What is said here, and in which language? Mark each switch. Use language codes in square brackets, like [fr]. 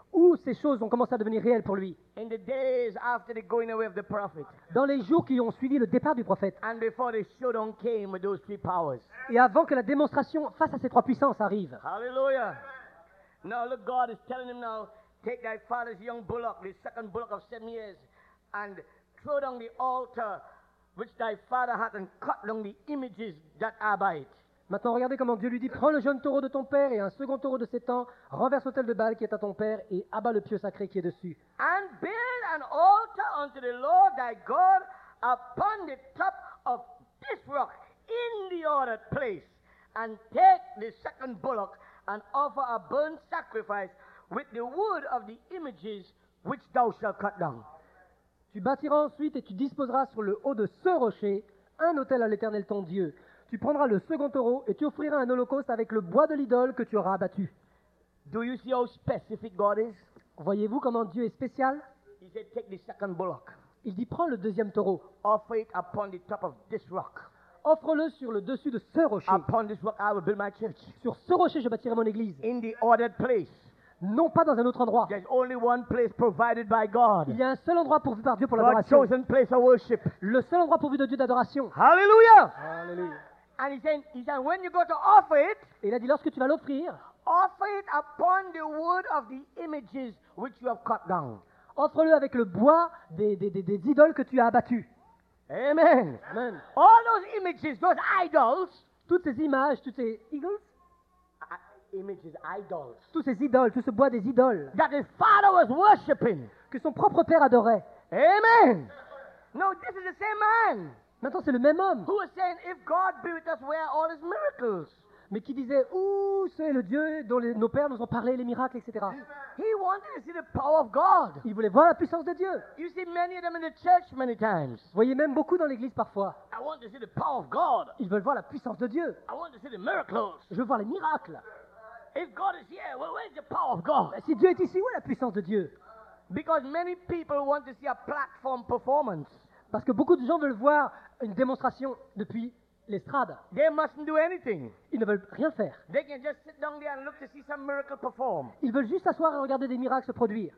[fr] Où ces choses ont commencé à devenir réelles pour lui. [en] In the days after the going away of the prophet. [fr] Dans les jours qui ont suivi le départ du prophète. [en] And before the showdown came with those three powers. [fr] Et avant que la démonstration face à ces trois puissances arrive. [en] Hallelujah. Now look, God is telling him now, take thy father's young bullock, the second bullock of 7 years, and throw down the altar which thy father hath and cut down the images that are by it. [fr] Maintenant, regardez comment Dieu lui dit, prends le jeune taureau de ton père et un second taureau de 7 ans, renverse l'autel de Baal qui est à ton père et abat le pieu sacré qui est dessus. [en] And build an altar unto the Lord thy God upon the top of this rock in the ordered place. And take the second bullock and offer a burnt sacrifice with the wood of the images which thou shalt cut down. [fr] Tu bâtiras ensuite et tu disposeras sur le haut de ce rocher un autel à l'Éternel ton Dieu. Tu prendras le second taureau et tu offriras un holocauste avec le bois de l'idole que tu auras abattu. [en] Do you see how specific God is? [fr] Voyez-vous comment Dieu est spécial? [en] He said, take the second bullock. [fr] Il dit, prends le deuxième taureau. [en] Offer it upon the top of this rock. [fr] Offre-le sur le dessus de ce rocher. [en] Upon this rock, I will build my church. [fr] Sur ce rocher, je bâtirai mon église. [en] In the ordered place. [fr] Non pas dans un autre endroit. [en] There's only one place provided by God. [fr] Il y a un seul endroit pourvu par Dieu pour l'adoration. [en] God's chosen place of worship. [fr] Le seul endroit pourvu de Dieu d'adoration. [en] Hallelujah! Hallelujah! And he said, when you go to offer it, [fr] et il a dit lorsque tu vas l'offrir, [en] offer it upon the wood of the images which you have cut down. [fr] Offre-le avec le bois des idoles que tu as abattues. [en] Amen. Amen. All those images, those idols. [fr] Toutes ces images, toutes ces idoles. [en] Images, idols. [fr] Tous ces idoles, tout ce bois des idoles. [en] That his father was worshiping. [fr] Que son propre père adorait. [en] Amen. No, this is the same man. [fr] Maintenant, c'est le même homme. [en] Who was saying, if God built us, where are all his miracles? [fr] Mais qui disait, ouh, c'est le Dieu dont nos pères nous ont parlé, les miracles, etc. [en] He wanted to see the power of God. [fr] Il voulait voir la puissance de Dieu. [en] You see many of them in the church many times. [fr] Vous voyez même beaucoup dans l'église parfois. [en] I want to see the power of God. [fr] Ils veulent voir la puissance de Dieu. [en] I want to see the miracles. [fr] Je veux voir les miracles. [en] If God is here, well, where is the power of God? [fr] Si Dieu est ici, où est la puissance de Dieu? [en] Because many people want to see a platform performance. [fr] Parce que beaucoup de gens veulent voir une démonstration depuis l'estrade. [en] They mustn't do anything. [fr] Ils ne veulent rien faire. [en] They can just sit down there and look to see some miracle perform. [fr] Ils veulent juste s'asseoir et regarder des miracles se produire.